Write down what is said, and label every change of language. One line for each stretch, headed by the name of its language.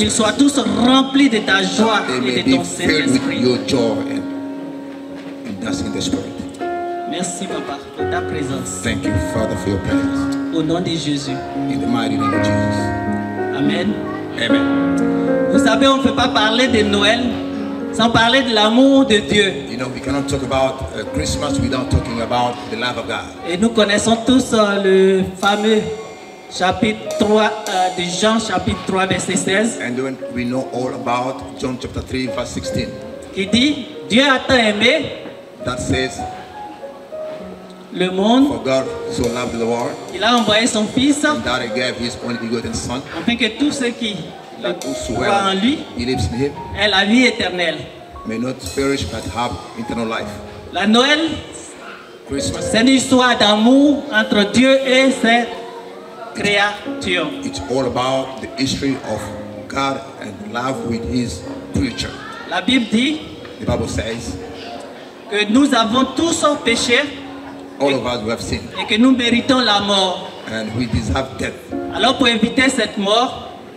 French: qu'ils soient tous remplis de ta joie et de ton Saint-Esprit.
English: They may be filled with your joy and that's in the spirit.
French: Merci papa pour ta présence.
English: Thank you Father for your presence.
French: Au nom de Jésus.
English: In the mighty name of Jesus. Amen. Amen.
French: Vous savez, on ne peut pas parler de Noël sans parler de l'amour de Dieu.
English: You know, we cannot talk about Christmas without talking about the love of God.
French: Et nous connaissons tous le fameux chapitre 3 de Jean chapitre 3 verset 16.
English: And we know all about John chapter 3 verse 16.
French: Qui dit Dieu a tant aimé.
English: That says
French: le monde.
English: For God so loved the world.
French: Il a envoyé son fils.
English: And that he gave his only begotten son.
French: Afin que tous ceux qui croient en lui.
English: He lives in him.
French: Aient la vie éternelle.
English: May not perish but have eternal life.
French: La Noël.
English: Christmas.
French: C'est une histoire d'amour entre Dieu et ses créatures.
English: It's all about the history of God and love with his creature.
French: La Bible dit.
English: The Bible says.
French: Que nous avons tous péché.
English: All of us, we have sinned.
French: Et que nous méritons la mort.
English: And we deserve death.
French: Alors pour éviter cette mort.